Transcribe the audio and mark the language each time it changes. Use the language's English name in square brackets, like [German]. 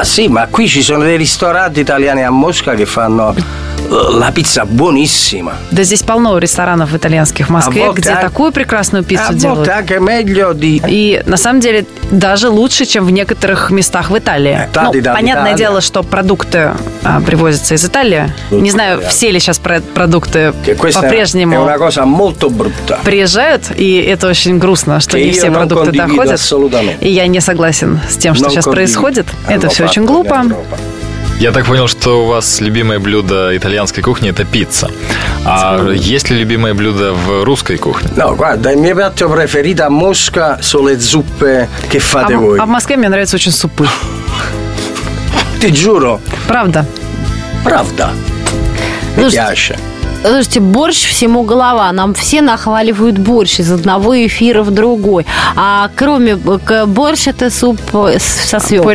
[Italian] Ma qui ci sono dei ristoranti italiani a Mosca che fanno la pizza buonissima. [Russian] Да здесь полно ресторанов итальянских в Москве, где такую прекрасную пиццу делают. [Italian] А anche meglio di. [Russian] И на самом деле даже лучше, чем в некоторых местах в Италии. Понятное дело, что продукты привозятся из Италии. Не знаю, все ли сейчас продукты по-прежнему приезжают, и это очень грустно, что не все продукты доходят. И я не согласен с тем, что сейчас происходит. Это все очень глупо. Я так понял, что у вас любимое блюдо итальянской кухни – это пицца. А есть ли любимое блюдо в русской кухне? [Italian] No, guarda, il mio piatto preferito a Mosca sono le zuppe che fate voi. [Russian] А в Москве мне нравятся очень супы. [Italian] Ti giuro. [Russian] Правда. Правда. Мне нравится. Слушайте, борщ всему голова. Нам все нахваливают борщ из одного эфира в другой. А кроме борщ, это суп со свеклой.